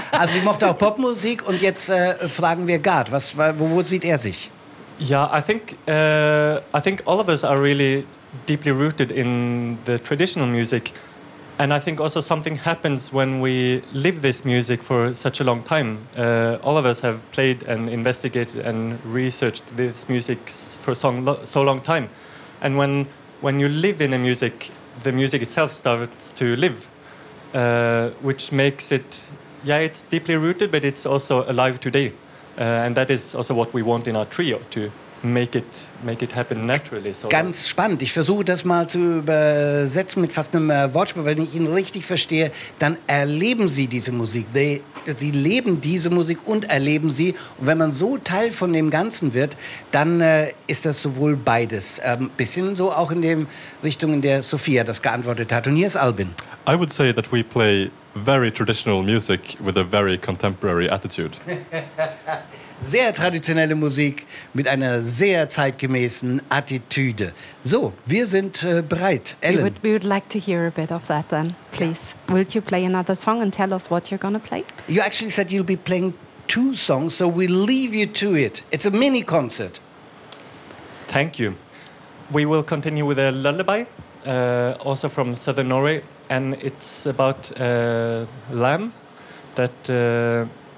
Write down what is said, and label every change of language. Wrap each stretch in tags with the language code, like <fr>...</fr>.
<de>Also sie mochte auch Popmusik, und jetzt fragen wir Gard, wo sieht er sich?</de> <en>Yeah, I think all of us are really deeply rooted in the traditional music. And I think also something happens when we live this music for such a long time. All of us have played and investigated and researched this music for so long time. And when you live in a music, the music itself starts to live, which makes it, yeah, it's deeply rooted, but it's also alive today. And that is also what we want in our trio, to make it happen naturally. So</en> <de>ganz spannend. Ich versuche das mal zu übersetzen mit fast einem Wortspiel. Wenn ich ihn richtig verstehe, dann erleben sie diese Musik. Sie leben diese Musik und erleben sie. Und wenn man so Teil von dem Ganzen wird, dann ist das sowohl beides. Ein bisschen so auch in dem Richtung, in der Sophia das geantwortet hat. Und hier ist Albin.</de> <en>I would say that we play very traditional music with a very contemporary attitude.</en> <de>Sehr traditionelle Musik mit einer sehr zeitgemäßen Attitüde. So, wir sind bereit. Ellen.</de> <en>We would like to hear a bit of that then, please. Yeah. Will you play another song and tell us what you're going to play? You actually said you'll be playing two songs, so we'll leave you to it. It's a mini concert. Thank you. We will continue with a lullaby, also from Southern Norway, and it's about a lamb that...</en>